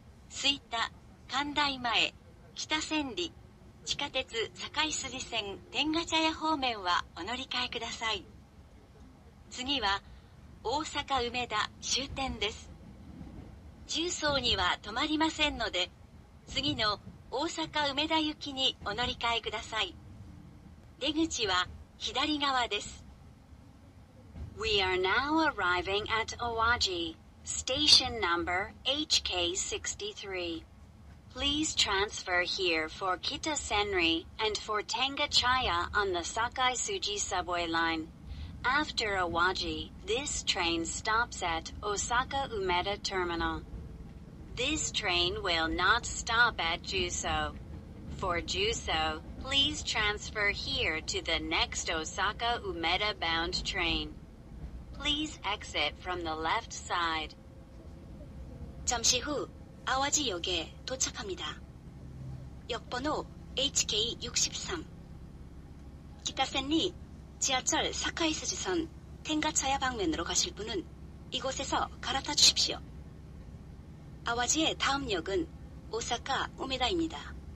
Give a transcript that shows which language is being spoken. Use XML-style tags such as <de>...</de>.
<ja>吹田、神台前、北千里、地下鉄堺筋線天ヶ茶屋方面はお乗り換えください。次は大阪梅田終点です。十三には止まりませんので、次の大阪梅田行きにお乗り換えください。出口は左側です。</ja> <en>We are now arriving at Awaji. Station number HK63. Please transfer here for Kitasenri and for Tengachaya on the Sakaisuji subway line. After Awaji, this train stops at Osaka Umeda Terminal. This train will not stop at Juso. For Juso, please transfer here to the next Osaka Umeda bound train. Please exit from the left side.</en> <ko>잠시후아와지역에도착합니다역번호 HK63 기타센리지하철사카이스지선텐가차야방면으로가실분은이곳에서갈아타주십시오아와지의다음역은오사카우메다입니다</ko>